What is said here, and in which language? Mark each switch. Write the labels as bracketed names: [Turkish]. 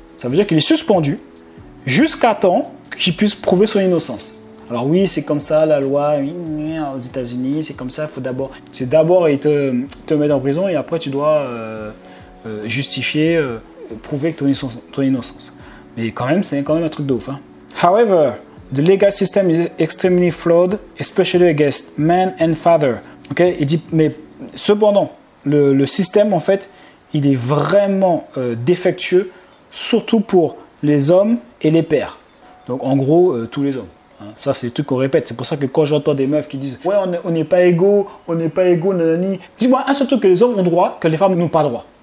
[French] Ça veut dire qu'il est suspendu jusqu'à temps qu'il puisse prouver son innocence. Alors oui, c'est comme ça la loi aux États-Unis, c'est comme ça, faut d'abord, c'est d'abord ils te mettent en prison et après tu dois justifier, prouver ton innocence. Mais quand même, c'est quand même un truc de ouf. Hein. [English] However, the legal system is extremely flawed, especially against men and father. [French] Ok, il dit, mais cependant, le système en fait, il est vraiment défectueux, surtout pour les hommes et les pères. Donc en gros, tous les hommes. Ça, c'est le truc qu'on répète. C'est pour ça que quand j'entends des meufs qui disent « Ouais, on n'est pas égaux, on n'est pas égaux, nanani. » Dis-moi un seul truc que les hommes ont droit, que les femmes n'ont pas droit.